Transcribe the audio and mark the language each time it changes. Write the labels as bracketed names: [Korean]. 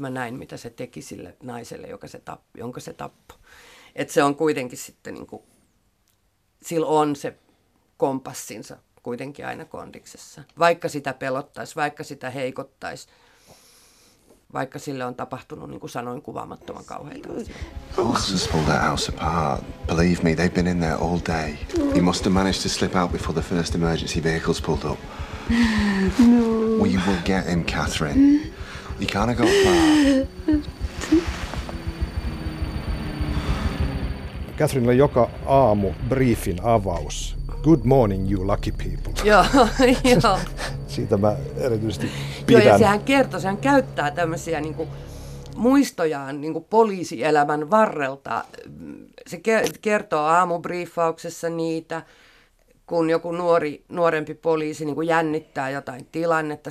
[Finnish] Mä näin, mitä se teki sille naiselle, jonka se tappoi. Että se on kuitenkin sitten, niin kuin, sillä on se kompassinsa. Kuitenkin aina kondiksessa. Vaikka sitä pelottaisi, vaikka sitä heikottaisi, vaikka sille on tapahtunut, niin kuin sanoin, kuvaamattoman kauheita asioita. [English] Horses pull that house apart. Believe me, they've been in there all day. You must have managed to slip out before the first emergency vehicles pulled up. No. We will get him, Catherine. You can't have got far. [Finnish] Catherine on joka aamu briefin avaus. [English] Good morning, you lucky people. [Finnish] Joo. Siitä mä erityisesti pidän. Joo, ja sehän kertoo, sehän käyttää tämmöisiä niinku muistojaan niinku poliisielämän varrelta. Se kertoo aamubriefauksessa niitä, kun joku nuorempi poliisi niinku jännittää jotain tilannetta.